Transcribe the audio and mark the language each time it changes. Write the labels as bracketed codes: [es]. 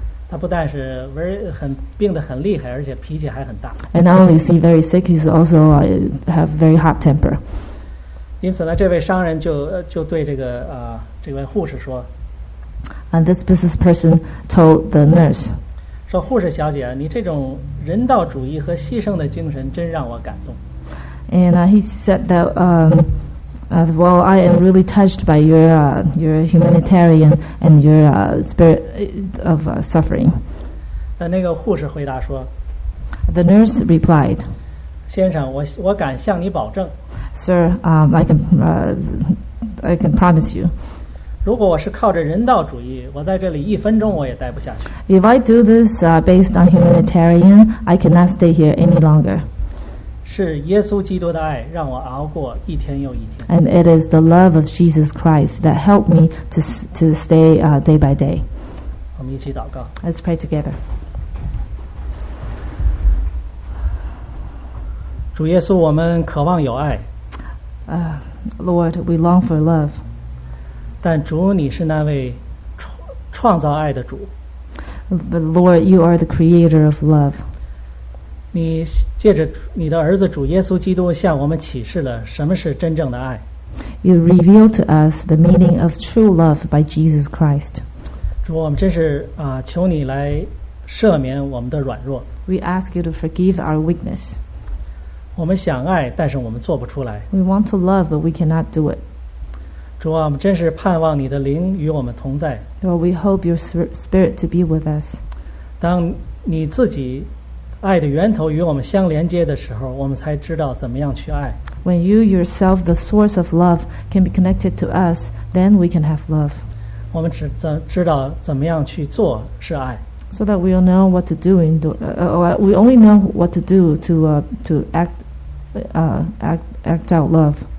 [zh] 他不但是病得很厉害，而且脾气还很大。 [en] And not only is he very sick, he's also have very hot temper. [zh] 因此呢，这位商人就对这位护士说。 [en] And this business person told the nurse. [zh] 说护士小姐，你这种人道主义和牺牲的精神真让我感动。 [en] And he said that well, I am really touched by your humanitarian and your spirit of suffering. [zh] 那个护士回答说 [en] The nurse replied, [zh] 先生，我敢向你保证 [en] Sir, I can promise you. [zh] 如果我是靠着人道主义，我在这里一分钟我也待不下去 [en] If I do this based on humanitarian, I cannot stay here any longer. [zh] 是耶稣基督的爱让我熬过一天又一天。 [en] And it is the love of Jesus Christ that helped me to stay day by day. [zh] 我们一起祷告。 [en] Let's pray together. [zh] 主耶稣，我们渴望有爱。 [en] Lord, we long for love. [zh] 但主，你是那位创造爱的主。 [en] But Lord, you are the creator of love. [zh] 你借着你的儿子主耶稣基督向我们启示了什么是真正的爱。 [en] You revealed to us the meaning of true love by Jesus Christ. [zh] 主，我们真是求你来赦免我们的软弱。 [en] We ask you to forgive our weakness. [zh] 我们想爱，但是我们做不出来。 [en] We want to love, but we cannot do it. [zh] 主，我们真是盼望你的灵与我们同在。 [en] Lord, we hope your spirit to be with us. [zh] 当你自己爱的源头与我们相连接的时候，我们才知道怎么样去爱。 [en] When you yourself, the source of love, can be connected to us, then we can have love. [zh] 我们只知道怎么样去做是爱。 [en] So that we'll know what to do in the, we only know what to do to act out love.